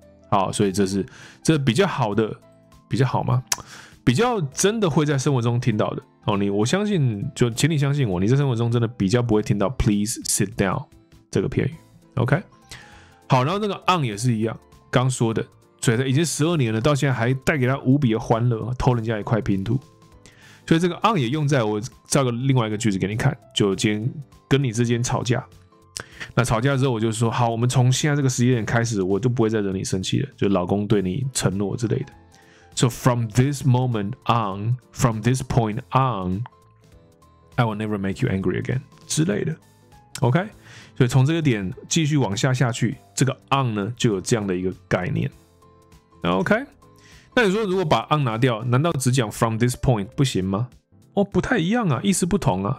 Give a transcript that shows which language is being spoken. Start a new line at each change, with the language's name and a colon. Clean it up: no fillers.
Chinese: 好所以这是比较好的比较好吗比较真的会在生活中听到的、哦、你我相信就请你相信我你在生活中真的比较不会听到
English: Please sit down
Chinese: 这个片语 OK 好然后那个 on 也是一样刚说的所以他已经十二年了，到现在还带给他无比的欢乐，偷人家一块拼图。所以这个 on 也用在我造个另外一个句子给你看，就今天跟你之间吵架。那吵架之后，我就说好，我们从现在这个时间点开始，我就不会再惹你生气了，就老公对你承诺之类的。
English: So from this moment on, from this point on, I will never make you angry again
Chinese: 之类的。 OK， 所以从这个点继续往下下去，这个 on 呢就有这样的一个概念。 OK， 那你说如果把 on 拿掉，难道只讲
English: from this point
Chinese: 不行吗？哦，不太一样啊，意思不同啊。